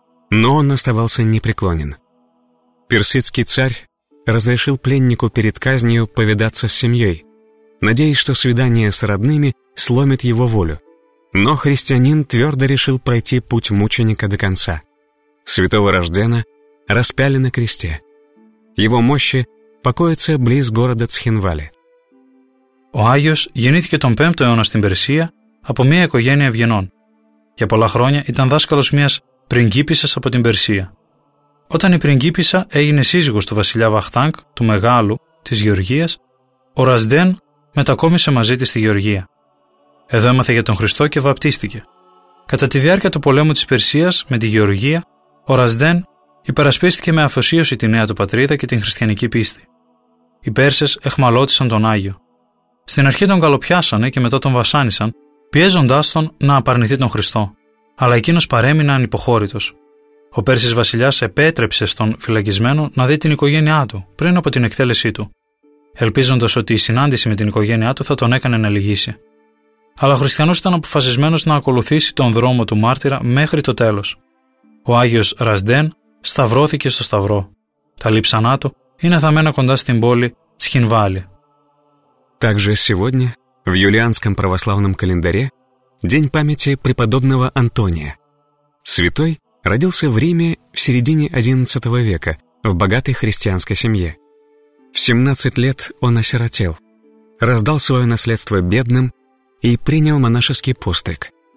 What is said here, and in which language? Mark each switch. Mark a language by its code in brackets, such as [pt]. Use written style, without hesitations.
[ru] Но он оставался непреклонен. Персидский царь разрешил пленнику перед казнью повидаться с семьей, надеясь, что свидание с родными сломит его волю. Но христианин твердо решил пройти путь мученика до конца. Святого Рождена распяли на кресте. Его мощи покоятся близ города Цхинвали. [el] Ο Άγιος γεννήθηκε τον 5ο αιώνα στην Περσία από μια οικογένεια ευγενών. Για πολλά χρόνια ήταν δάσκαλος μιας πριγκίπισσας από την Περσία. Όταν η πριγκίπισσα έγινε σύζυγος του βασιλιά Βαχτάνγκ, του Μεγάλου, της Γεωργίας, ο Ρασδέν μετακόμισε μαζί της στη Γεωργία. Εδώ έμαθε για τον Χριστό και βαπτίστηκε. Κατά τη διάρκεια του πολέμου της Περσίας με τη Γεωργία, ο Ρασδέν υπερασπίστηκε με αφοσίωση τη νέα του πατρίδα και την χριστιανική πίστη. Οι Πέρσες εχμαλώτησαν τον Άγιο. Στην αρχή τον καλοπιάσανε και μετά τον βασάνισαν, πιέζοντάς τον να απαρνηθεί τον Χριστό. Αλλά εκείνος παρέμεινε ανυποχώρητος. Ο Πέρσης βασιλιάς επέτρεψε στον φυλακισμένο να δει την οικογένειά του πριν από την εκτέλεσή του, ελπίζοντας ότι η συνάντηση με την οικογένειά του θα τον έκανε να λυγίσει. Αλλά ο Χριστιανός ήταν αποφασισμένος να ακολουθήσει τον δρόμο του μάρτυρα μέχρι το τέλος. Ο Άγιος Ρασδέν σταυρώθηκε στο Σταυρό. Τα λείψανά του είναι θαμμένα κοντά στην πόλη Τσχινβάλη. [ru] Также сегодня, в юлианском православном календаре, день памяти преподобного Антония. Святой родился в Риме в середине XI века в богатой христианской семье. В 17 лет он осиротел, раздал свое наследство бедным и принял монашеский постриг.